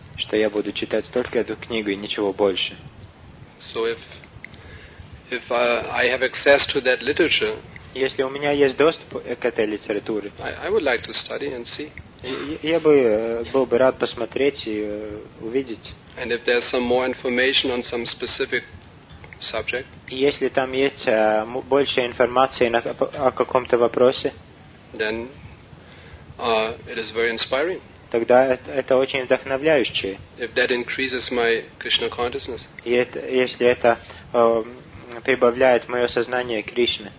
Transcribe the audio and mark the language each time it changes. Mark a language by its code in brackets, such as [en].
[ru] Что я буду читать только эту книгу и ничего больше. [en] So if I have access to that literature, [ru] если у меня есть доступ к этой литературе, [en] I would like to study and see. [ru] Я был бы рад посмотреть и увидеть. [en] And if there's some more information on some specific subject, [ru] если там есть больше информации о каком-то вопросе, [en] then it is very inspiring. [ru] Тогда это очень вдохновляющее. [en] If that increases my Krishna consciousness, [ru] если это прибавляет мое сознание Кришны,